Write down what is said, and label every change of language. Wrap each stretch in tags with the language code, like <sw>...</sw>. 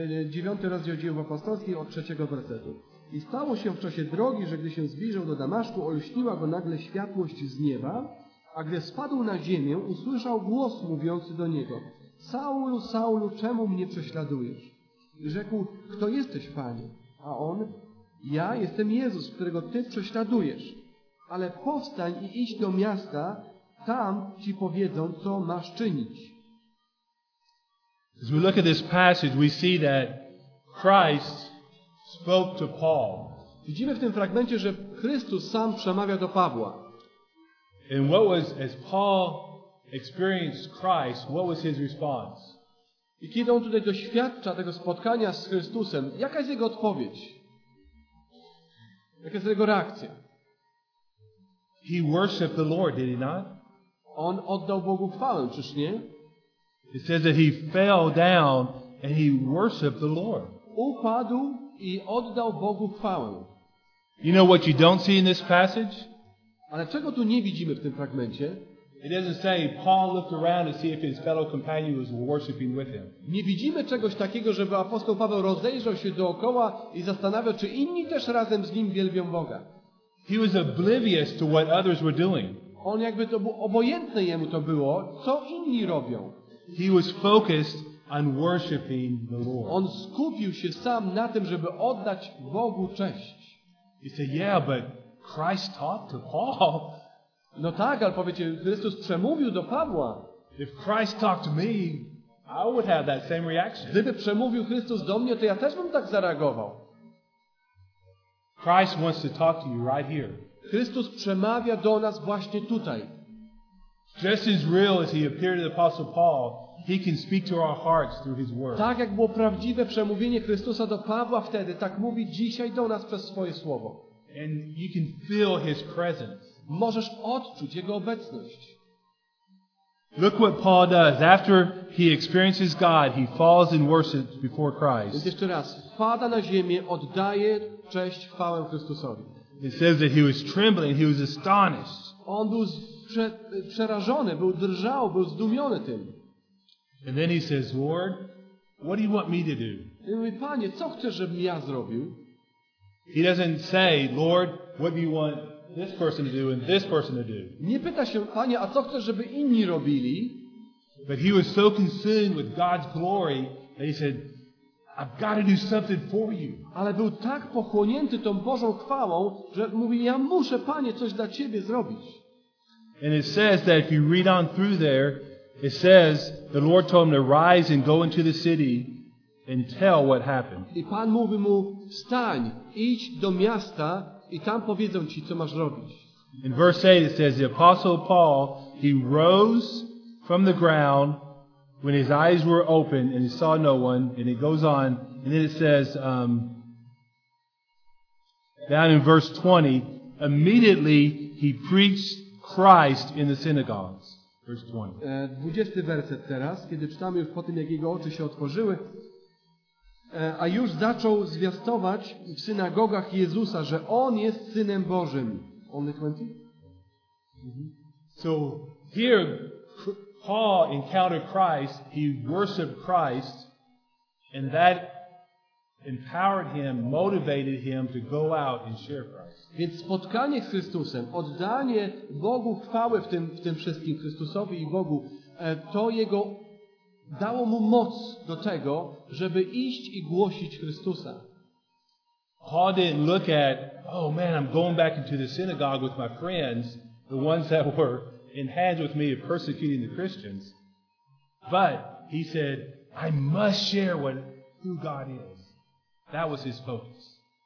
<pl>9 rozdział Dziejów Apostolskich od 3 wersetu. I stało się w czasie drogi, że gdy się zbliżał do Damaszku, olśniła go nagle światłość z nieba, a gdy spadł na ziemię, usłyszał głos mówiący do niego: Saulu, Saulu, czemu mnie prześladujesz? I rzekł: Kto jesteś, Panie? A on: Ja jestem Jezus, którego Ty prześladujesz. Ale powstań i idź do miasta, tam Ci powiedzą, co masz czynić.</pl> <en>As we look at this passage, we see that Christ spoke to Paul.</en> <pl>Widzimy w tym fragmencie, że Chrystus sam przemawia do Pawła.</pl> <en>And what was, as Paul experienced Christ, what was his response?</en> <pl>I kiedy on tutaj doświadcza tego spotkania z Chrystusem, jaka jest jego odpowiedź? Jaka jest jego reakcja?</pl> <en>He worshiped the Lord, did he not?</en> <pl>On oddał Bogu chwałę, czyż nie?</pl> <en>It says that he fell down and he worshiped the Lord.</en> <pl>Upadł i oddał Bogu chwałę.</pl> <en>You know what you don't see in this passage?</en> <pl>Ale czego tu nie widzimy w tym fragmencie?</pl> <en>It doesn't say Paul looked around to see if his fellow companion was worshiping with him.</en> <pl>Nie widzimy czegoś takiego, żeby apostoł Paweł rozejrzał się dookoła i zastanawiał, czy inni też razem z nim wielbią Boga.</pl> <en>He was oblivious to what others were doing.</en> <pl>On jakby to był obojętny jemu to było, co inni robią.</pl> <en>He was focused on worshiping the Lord.</en> <pl>On skupił się sam na tym, żeby oddać Bogu cześć.</pl> <en>He said, yeah, but Christ taught to Paul.</en> <pl>No tak, ale powiecie, Chrystus przemówił do Pawła.</pl> <en>If Christ talked to me, I would have that same reaction.</en> <pl>Gdyby przemówił Chrystus do mnie, to ja też bym tak zareagował.</pl> <en>Christ wants to talk to you right here.</en> <pl>Chrystus przemawia do nas właśnie tutaj.</pl> <en>Just as real as he appeared to the Apostle Paul, he can speak to our hearts through his word.</en> <pl>Tak jak było prawdziwe przemówienie Chrystusa do Pawła wtedy, tak mówi dzisiaj do nas przez swoje słowo.</pl> <en>And you can feel his presence.</en> <pl>Możesz odczuć jego obecność.</pl> <en>Look what Paul does. After he experiences God, he falls and worships before Christ.</en> <pl>Więc jeszcze raz. Pada na ziemię, oddaje cześć, chwałę Chrystusowi.</pl> <en>It says that he was trembling, he was astonished.</en> <pl>On był przerażony, był drżał, był zdumiony tym.</pl> <en>And then he says, Lord, what do you want me to do?</en> <pl>I mówi, Panie, co chcesz, żebym ja zrobił?</pl> <en>He doesn't say, Lord, what do you want this person to do and this person to do?</en> <pl>Nie pyta się, Panie, a co chcesz, żeby inni robili?</pl> <en>But he was so consumed with God's glory that he said, I've got to do something for you.</en> <pl>Ale był tak pochłonięty tą Bożą chwałą, że mówi, ja muszę, Panie, coś dla Ciebie zrobić.</pl> <en>And it says that if you read on through there, it says the Lord told him to rise and go into the city and tell what happened.</en> <pl>I Pan mówi mu, wstań, idź do miasta i tam powiedzą ci, co masz robić.</pl> <en>In verse 8 it says, the Apostle Paul, he rose from the ground when his eyes were open and he saw no one, and it goes on, and then it says, down in verse 20, immediately he preached Christ in the synagogues. Verse 20.</en> <pl>20 werset teraz, kiedy czytamy już po tym, jak jego oczy się otworzyły, a już zaczął zwiastować w synagogach Jezusa, że On jest Synem Bożym.</pl> <en>Only 20? So, here, Paul encountered Christ, he worshiped Christ, and that empowered him, motivated him to go out and share Christ.</en> <pl>Więc spotkanie z Chrystusem, oddanie Bogu chwały w tym wszystkim, Chrystusowi i Bogu, to jego dało mu moc do tego, żeby iść i głosić Chrystusa.</pl> <en>Paul didn't look at, oh man, I'm going back into the synagogue with my friends, the ones that were in hands with me of persecuting the Christians. But he said, I must share who God is. That was his focus.</en>